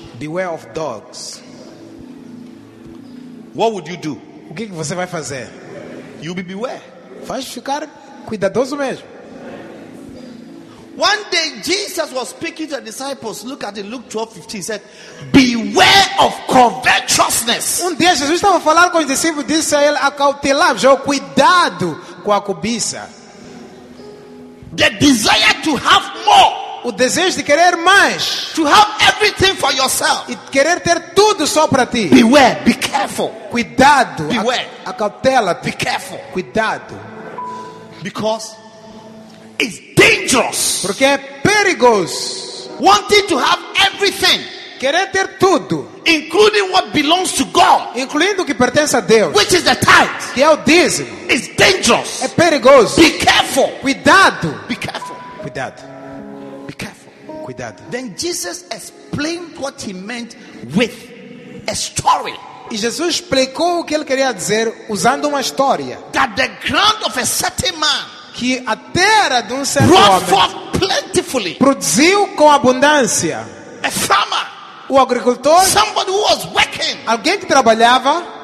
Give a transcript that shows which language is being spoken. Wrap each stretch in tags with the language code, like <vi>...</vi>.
<en>Beware of dogs. What would you do?</en> <pt>O que você vai fazer?</pt> <en>You will beware.</en> <pt>Vai ficar cuidadoso mesmo.</pt> <en>One day Jesus was speaking to the disciples. Look at it, Luke 12:15. He said, beware of covetousness.</en> <pt>Um dia Jesus estava a falar com os discípulos, disse a ele, acautelai-vos, cuidado com a cobiça.</pt> <en>The desire to have more.</en> <pt>O desejo de querer mais.</pt> <en>To have everything for yourself.</en> <pt>E querer ter tudo só para ti.</pt> <en>Beware, be careful.</en> <pt>Cuidado.</pt> <en>Beware.</en> <pt>Acautela,</pt> <en>be careful.</en> <pt>Cuidado.</pt> <en>Because it's dangerous.</en> <pt>Porque é perigoso.</pt> <en>Wanting to have everything.</en> <pt>Querer ter tudo.</pt> <en>Including what belongs to God.</en> <pt>Incluindo o que pertence a Deus.</pt> <en>Which is the tithe.</en> <pt>Que é o dízimo.</pt> <en>It's dangerous.</en> <pt>É perigoso.</pt> <en>Be careful.</en> <pt>Cuidado.</pt> <en>Be careful.</en> <pt>Cuidado.</pt> <en>Be careful.</en> <pt>Cuidado.</pt> <en>Then Jesus explained what he meant with a story.</en> <pt>E Jesus explicou o que ele queria dizer usando uma história.</pt> <en>That the ground of a certain man,</en> <pt>que a terra de um certo homem produziu com abundância.</pt> <en>A farmer,</en> <pt>o agricultor,</pt> <en>somebody who was working,</en> <pt>alguém que trabalhava.</pt>